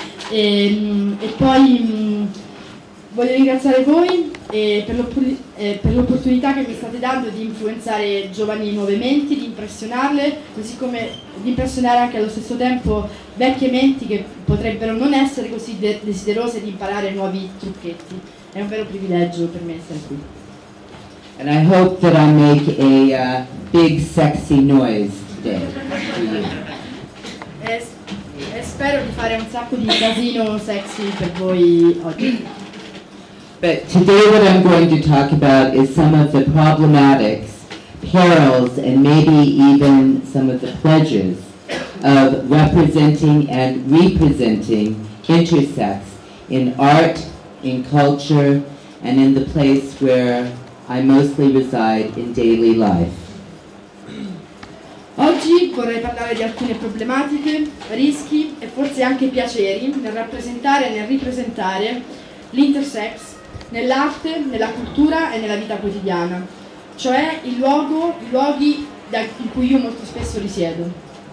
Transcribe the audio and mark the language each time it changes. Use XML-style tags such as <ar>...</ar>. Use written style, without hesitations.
<it>E poi voglio ringraziare voi per l'opportunità che mi state dando di influenzare giovani nuove menti, di impressionarle, così come di impressionare anche allo stesso tempo vecchie menti che potrebbero non essere così desiderose di imparare nuovi trucchetti. È un vero privilegio per me essere qui.</it> <en>And I hope that I make a big sexy noise today.</en> <it>e spero di fare un sacco di casino sexy per voi oggi.</it> <en>But today what I'm going to talk about is some of the problematics, perils, and maybe even some of the pledges of representing and representing intersex in art, in culture, and in the place where I mostly reside in daily life.</en> <it>Oggi vorrei parlare di alcune problematiche, rischi e forse anche piaceri nel rappresentare e nel ripresentare l'intersex nell'arte, nella cultura e nella vita quotidiana, cioè il luogo, i luoghi in cui io molto spesso risiedo.</it>